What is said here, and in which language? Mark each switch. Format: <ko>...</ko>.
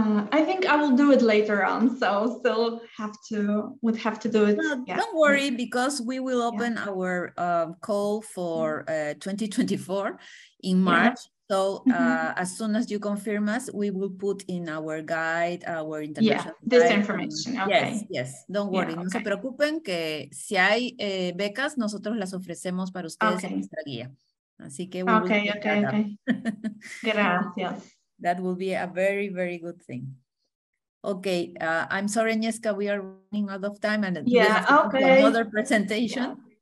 <en>I think I will do it later on, so still would have to do it. Don't worry, because we will open our call for 2024 in March. So as soon as you confirm us, we will put in our guide, our international this information. Okay. Yes, don't worry. Yeah, okay.</en> <es>No se preocupen que si hay becas, nosotros las ofrecemos para ustedes en nuestra guía. Así que gracias.</es> <en>That will be a very, very good thing. Okay, I'm sorry, Agnieszka, we are running out of time and another presentation.</en>